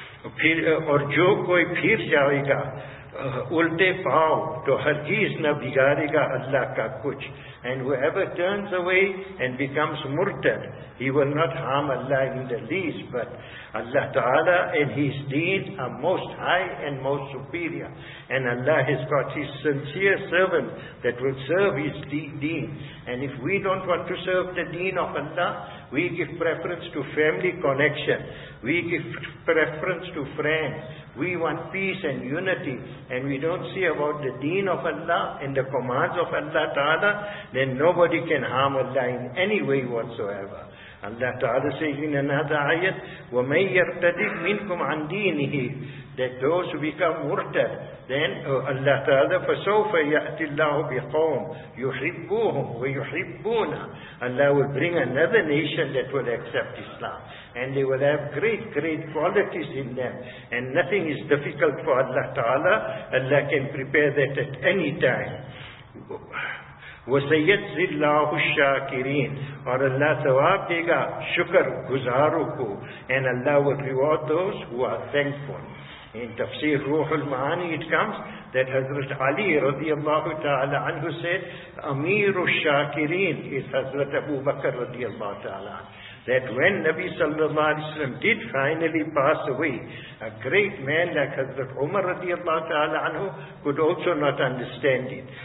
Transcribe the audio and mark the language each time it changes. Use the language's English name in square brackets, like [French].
[Urdu] اور جو کوئی پھر جائے گا الٹے پاؤ تو ہر چیز نہ بگاڑے گا اللہ کا کچھ. [English] And whoever turns away and becomes murtad, he will not harm Allah in the least, but Allah Ta'ala and His deen are most high and most superior. And Allah has got His sincere servant that will serve His deen. And if we don't want to serve the deen of Allah, we give preference to family connection. We give preference to friends. We want peace and unity, and we don't see about the deen of Allah and the commands of Allah Ta'ala, then nobody can harm Allah in any way whatsoever. Allah Ta'ala says in another ayat, [Arabic] وَمَنْ يَرْتَدِدْ مِنْكُمْ عَنْ دِينِهِ, [English] that those who become murtad, then Allah Ta'ala, [Arabic] فَسَوْفَ يَأْتِ اللَّهُ بِقَوْمٍ يُحِبُّهُمْ وَيُحِبُّونَ, [English] Allah will bring another nation that will accept Islam. And they will have great, great qualities in them. And nothing is difficult for Allah Ta'ala. Allah can prepare that at any time. [Arabic] وَسَيَّدْزِ اللَّهُ الشَّاكِرِينَ, [Urdu] اور اللہ ثواب دے گا شکر گزاروں کو. [English] And Allah will reward those who are thankful. In Tafsir Ruh al-Ma'ani it comes that Hazrat Ali radiallahu ta'ala anhu said, Amir al-Shakirin is Hazrat Abu Bakr radiallahu ta'ala. That when Nabi sallallahu alayhi wa sallam did finally pass away, a great man like Hazrat Umar radiallahu ta'ala anhu could also not understand it.